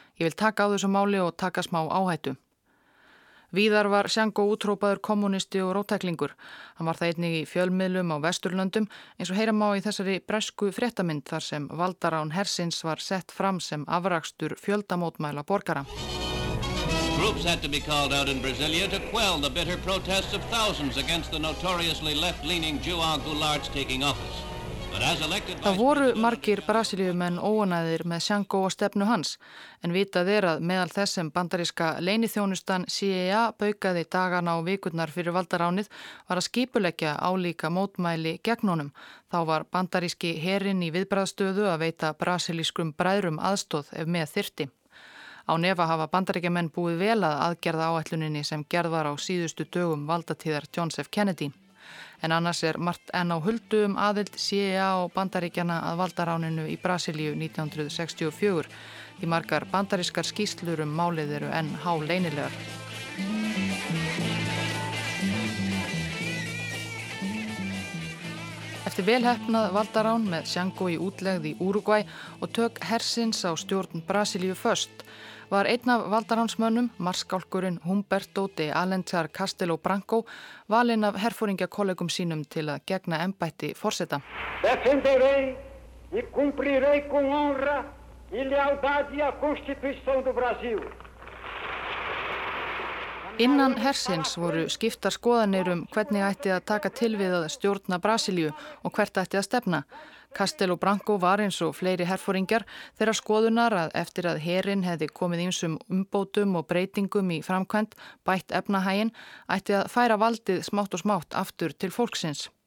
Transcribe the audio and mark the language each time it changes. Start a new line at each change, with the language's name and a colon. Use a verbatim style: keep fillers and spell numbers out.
Icelandic: Ég vil taka á þessu máli og taka smá áhættu. Víðar var Tsjango útrópaður kommunisti og róttæklingur. Hann var það einnig í fjölmiðlum á Vesturlöndum eins og heyra má í þessari bresku fréttamynd þar sem valdarán hersins var sett fram sem afrakstur fjöldamótmæla borgara.
English: Groups had to be called out in Brasilia to quell the bitter protests of thousands against the notoriously left-leaning João Goulart's taking office. But as elected by...
Icelandic: Það voru margir Brasilíumenn óánægðir með Tsjango og stefnu hans, en vitað er að meðal þess sem bandaríska leyniþjónustan C I A baukaði dagana og vikurnar fyrir valdaránið var að skipuleggja álíka mótmæli gegn honum. Þá var bandaríski herinn í viðbragðsstöðu að veita brasilískum bræðrum aðstoð ef með þyrfti. Á nefa hafa bandaríkjamenn búið vel að aðgerða áætluninni sem gerð var á síðustu dögum valdatíðar John F. Kennedy. En annars er margt enn á huldu um aðild C I A og bandaríkjana að valdaráninu í Brasilíu nítján sextíu og fjögur. Því margar bandarískar skýrslur um málið eru enn háleynilegar. Eftir velhefnað valdarán með Tsjango í útlegð í Úrugvæ og tök hersins á stjórn Brasilíu föst, var einn af valdaránsmönnum, marskálkurinn Humberto de Alencar Castelo Branco, valinn af herfóringjakollegum sínum til að gegna embætti forseta.
Portuguese: Defenderei e cumprirei com honra e lealdade a Constituição do Brasil.
Icelandic: Innan hersins voru skiptar skoðanir um hvernig ætti að taka til við að stjórna Brasilíu og hvert ætti að stefna. Castelo Branco var eins og fleiri herfóringjar þeirra skoðunar að eftir að herinn hefði komið ýmsum umbótum og breytingum í framkvæmt bætt efnahaginn ætti að færa valdið smátt og smátt aftur til fólksins.